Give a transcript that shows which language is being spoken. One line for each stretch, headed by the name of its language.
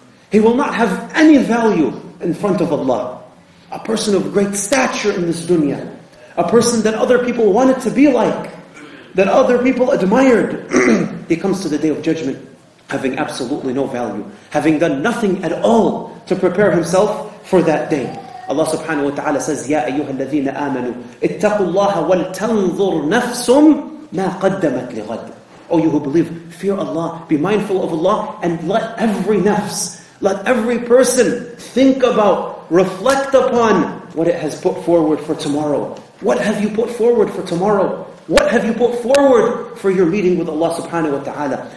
English: He will not have any value in front of Allah. A person of great stature in this dunya. A person that other people wanted to be like. That other people admired. He comes to the Day of Judgment having absolutely no value. Having done nothing at all to prepare himself for that day. Allah subhanahu wa ta'ala says,
Arabic: يَا أَيُّهَا الَّذِينَ آمَنُوا اتَّقُوا اللَّهَ وَلْتَنْظُرْ نَفْسٌ مَا قَدَّمَتْ لِغَدٍ.
English: O you who believe, fear Allah, be mindful of Allah, and let every nafs, let every person think about, reflect upon what it has put forward for tomorrow. What have you put forward for tomorrow? What have you put forward for your meeting with Allah subhanahu wa ta'ala?